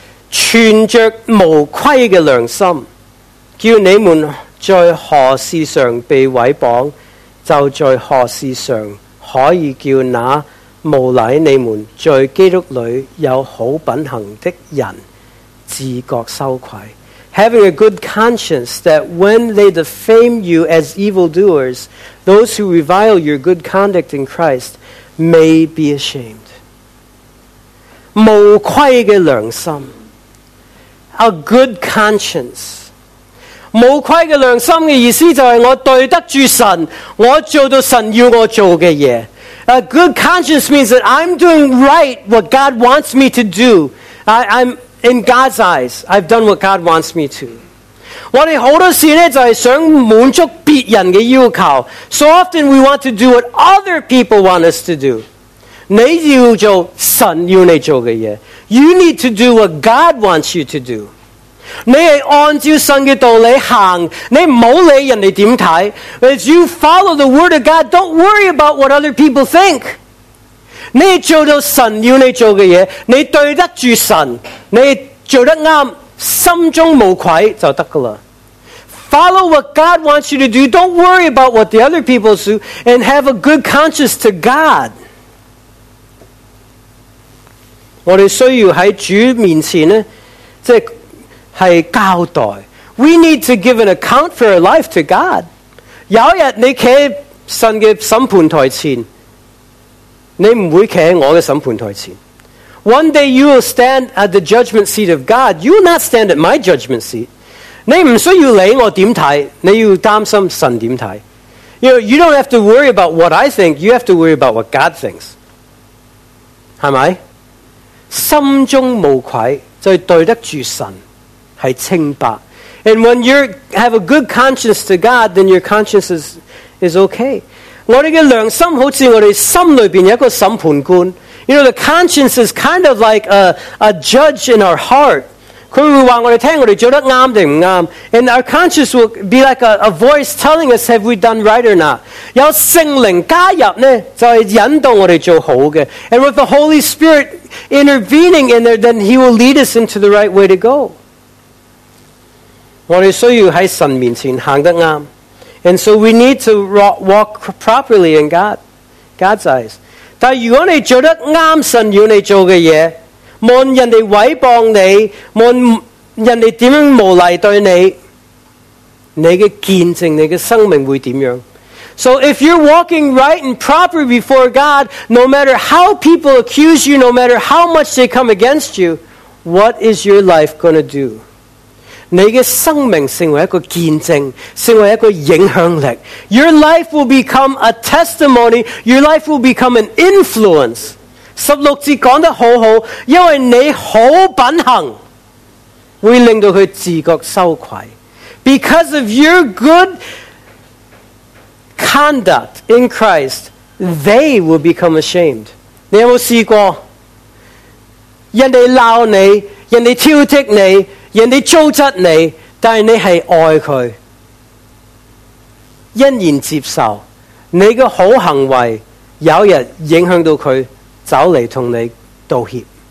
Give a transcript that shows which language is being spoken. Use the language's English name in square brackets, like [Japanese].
[Cantonese] 存着無愧嘅良心，叫你們在何事上被毀謗，就在何事上可以叫那無賴你們在基督裡有好品行的人自覺羞愧。 [English] Having a good conscience that when they defame you as evildoers, those who revile your good conduct in Christ may be ashamed. [Cantonese] 無愧的良心， [English] A good conscience。 [Cantonese] 无愧的良心的意思就是我对得住神，我做到神要我做的事。 [English] A good conscience means that I'm doing right what God wants me to do. I'm in God's eyes. I've done what God wants me to. [Cantonese] 我们很多时候就是想满足别人的要求。 [English] So often we want to do what other people want us to do. [Cantonese] 你要做神要你做的事。 [English] You need to do what God wants you to do. [Cantonese] 你是按照神的道理行，你不要理人家怎么看。 [English] As you follow the word of God, don't worry about what other people think. [Cantonese] 你做到神要你做的事，你对得住神，你做得对，心中无愧就可以了。 [English] Follow what God wants you to do, don't worry about what the other people do, and have a good conscience to God. [Cantonese] 我们需要在主面前呢，即是交代。 [English] We need to give an account for our life to God. [Cantonese] 有一天你站在神的审判台前，你不会站在我的审判台前。 [English] One day you will stand at the judgment seat of God. You will not stand at my judgment seat. [Cantonese] 你不需要理我怎么看，你要担心神怎么看。 [English] You know, you don't have to worry about what I think. You have to worry about what God thinks. [Cantonese] 是吗？心中无愧就是对得住神是清白。 [English] And when you have a good conscience to God, then your conscience is okay. [Cantonese] 我们的良心好像我们心里面有一个审判官。 [English] You know, the conscience is kind of like a judge in our heart. [Cantonese] 他会告诉我们我们做得对还是不对。 [English] And our conscience will be like a voice telling us, have we done right or not? [Cantonese] 有圣灵加入呢，就是引导我们做好的。 [English] And with the Holy Spirit intervening in there, then he will lead us into the right way to go. [Cantonese] 我们需要在神面前行得对。 [English] And so we need to walk properly in God's eyes. [Cantonese] 但如果你做得对神要你做的事，无论人家毁谤你，无论人家怎样无礼对你，你的见证，你的生命会怎样？ [English] So if you're walking right and proper before God, no matter how people accuse you, no matter how much they come against you, what is your life going to do? [Cantonese] 你的生命成为一个见证，成为一个影响力。 [English] Your life will become a testimony. Your life will become an influence. [Cantonese] 十六节讲得好好，因为你好品行会令到他自觉羞愧。 [English] Because of your good conduct in Christ, they will become ashamed. [Cantonese] 你有没有试过人家闹你，人家挑剔你，人家糟质你，但是你是爱他，欣然接受你的好行为，有一天影响到他走来跟你道歉。